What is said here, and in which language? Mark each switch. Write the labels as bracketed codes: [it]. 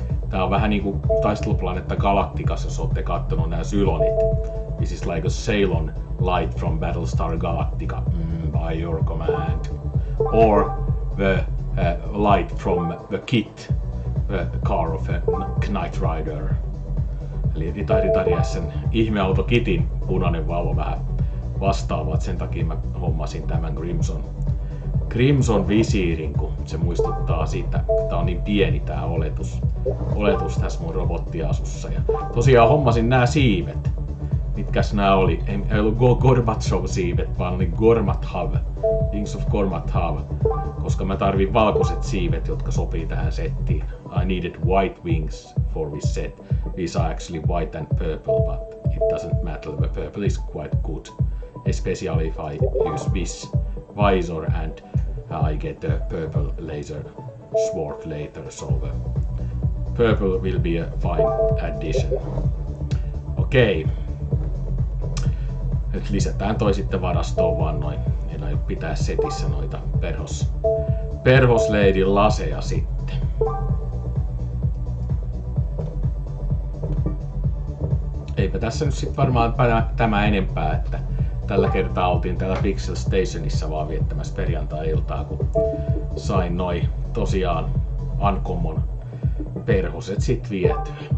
[fi] Tää on vähän niinku taisteluplanetta Galaktikassa, jos ootte kattonut nää Sylonit. [en] This is like a Ceylon light from Battlestar Galactica, by your command. Or the light from the kit, the car of a Knight Rider. [fi] Eli Ritari SN ihmeautokitin punainen valo vähän vastaava. Sen takia mä hommasin tämän Crimson visiirin, kun se muistuttaa siitä, että on niin pieni tää oletus tässä mun robottiasussa. Ja tosiaan hommasin nää siivet. Mitkäs nämä oli? Ei ollut Gorbachev-siivet, vaan oli Gormathav, Things of Gormathav, koska mä tarvin valkoiset siivet, jotka sopii tähän settiin. [en] I needed white wings for this set. These are actually white and purple, but it doesn't matter. The purple is quite good, especially if I use this visor and I get a purple laser sword later, so the purple will be a fine addition. Okei. Okay. [fi] Nyt lisätään toi sitten varastoon vaan noin, ei noin pitää setissä noita perhosleidin laseja sitten. Eipä tässä nyt sitten varmaan tämä enempää, että tällä kertaa oltiin täällä Pixel Stationissa vaan viettämässä perjantai-iltaa, kun sain noin tosiaan Uncommon perhoset sit vietyä.